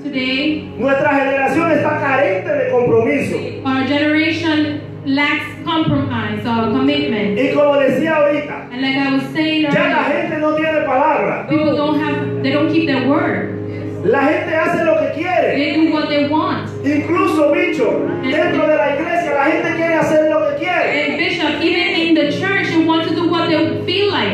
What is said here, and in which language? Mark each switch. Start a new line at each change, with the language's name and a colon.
English: Today.
Spanish: Nuestra generación está carente de compromiso.
English: Our generation lacks compromise or commitment.
Spanish: Y como decía ahorita.
English: And like I was saying earlier.
Spanish: Ya la gente no tiene palabra.
English: People don't have, they don't keep their word.
Spanish: La gente hace lo que quiere.
English: They do what they want.
Spanish: Incluso bicho, dentro de la iglesia, la gente quiere hacer lo que quiere.
English: And bishop, even in the church, they want to do what they feel like.